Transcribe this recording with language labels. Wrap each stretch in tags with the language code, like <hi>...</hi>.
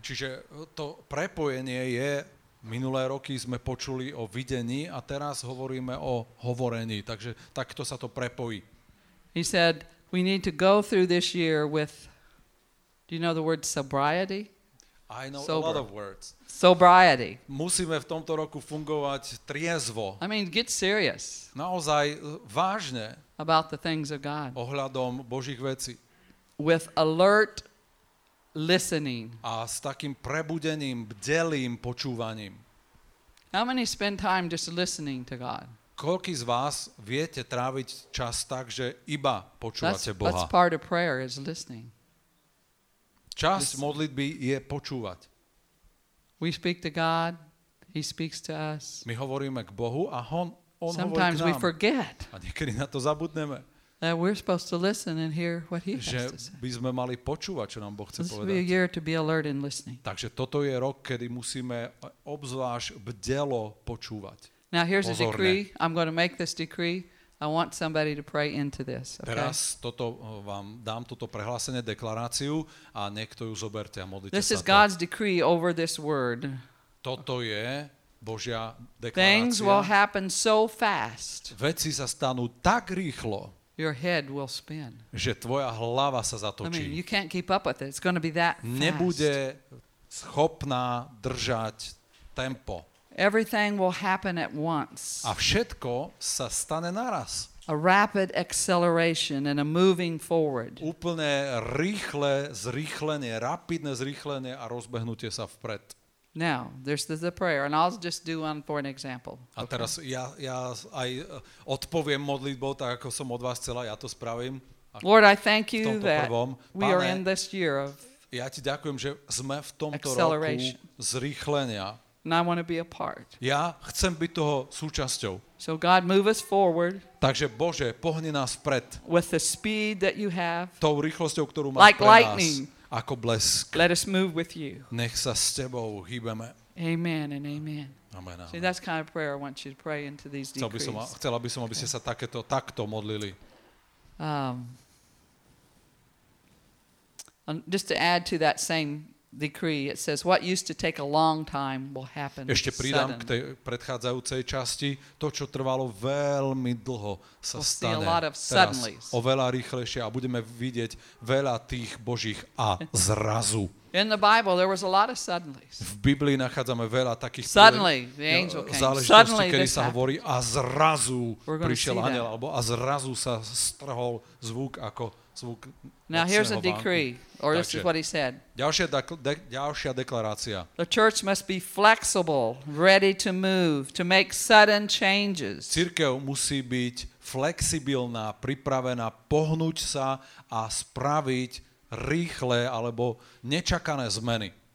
<sk>Čiže to prepojenie je, minulé roky sme počuli o videní a teraz hovoríme o hovorení, takže takto sa to prepojí.</sk> <en>He said, we need to go through this year with, do you know the word sobriety? I know sober. A lot of words. Sobriety.</en> <sk>Musíme v tomto roku fungovať triezvo.</sk> <en>I mean, get serious.</en> <sk>Naozaj vážne.</sk> <en>About the things of God.</en> <sk>Ohľadom Božích vecí.</sk> <en>With alert listening.</en> <sk>A s takým prebudeným, bdelým počúvaním.</sk> <en>How many spend time just listening to God? K-</en> <sk>koľký z vás viete tráviť čas tak, že iba počúvate Boha?</sk> <en>That's part of prayer, is listening.</en> <sk>Čas modlitby je počúvať.</sk> <en>We speak to God, he speaks to us.</en> <sk>My hovoríme k Bohu a on hovorí k nám.</sk> <en>Sometimes we forget.</en> <sk>A niekedy na to zabudneme.</sk> <en>That we're supposed to listen and hear what he has to say.</en> <sk>By sme mali počúvať, čo nám Boh chce</sk> <en>this</en> <sk>povedať.</sk> <en>Be a year to be alert and listening.</en> <sk>Takže toto je rok, kedy musíme obzvlášť bdelo počúvať.</sk> <en>Now here's</en> <sk>pozorne.</sk> <en>A decree. I'm going to make this decree. I want somebody to pray into this. Okay?</en> <sk>Teraz toto vám dám toto prehlásenie, deklaráciu a niekto ju zoberte a modlite</sk> <en>this</en> <sk>sa.</sk> <en>This is God's decree over this word.</en> <sk>Toto je Božia deklarácia.</sk> <en>Things will happen so fast.</en> <sk>Veci sa stanú tak rýchlo.</sk> <en>Your head will spin.</en> <sk>Že tvoja hlava sa zatočí.</sk> <en>I mean, you can't keep up with it. It's going to be that fast.</en> <sk>Nebude schopná držať tempo.</sk> <en>Everything will happen at once.</en> <sk>A všetko sa stane naraz.</sk> <en>A rapid acceleration and a moving forward.</en> <sk>Úplne rýchle zrýchlenie, rapidné zrýchlenie a rozbehnutie sa vpred.</sk> <en>Now, there's the prayer, and I'll just do one for an example.</en> <sk>A teraz ja aj odpoviem modlitbou, tak ako som od vás chcela, ja to spravím.</sk> <en>Lord, I thank you that we are in this year of acceleration.</en> <sk>Ja ti ďakujem, že sme v tomto roku zrýchlenia.</sk> <en>And I want to be a part.</en> <sk>Ja chcem byť toho súčasťou.</sk> <en>So God, move us forward.</en> <sk>Takže Bože, pohni nás vpred.</sk> <en>With the speed that you have.</en> <sk>Tou rýchlosťou, ktorú máš</sk> <en>like</en> <sk>pre</sk> <en>lightning.</en> <sk>Nás. Ako blesk.</sk> <en>Let us move with you.</en> <sk>Nech sa s tebou hýbeme.</sk> <en>Amen and amen. Amen. See, that's kind of prayer I want you to pray into these decrees.</en> <sk>Chcela by som, aby ste sa takto modlili.</sk> <en>Just to add to that same decree, it says what used to take a long time will happen.</en> <sk>Ešte pridám k tej predchádzajúcej časti, to čo trvalo veľmi dlho sa stane teraz oveľa rýchlejšie a budeme vidieť veľa tých Božích a zrazu.</sk> <en>In the Bible there was a lot of suddenlies.</en> <sk>V Biblii nachádzame veľa takých</sk> <en>suddenly, the angel came.</en> <sk>Záležitosti, kedy sa hovorí a zrazu prišiel anjel alebo a zrazu sa strhol zvuk ako zvuk.</sk> <en>Now here's a decree, or this is what he said.</en> <sk>Ďalšia deklarácia.</sk> <en>The church must be flexible, ready to move, to make sudden changes.</en> <sk>Cirkev musí byť flexibilná, pripravená pohnúť sa a spraviť rýchle alebo nečakané zmeny.</sk>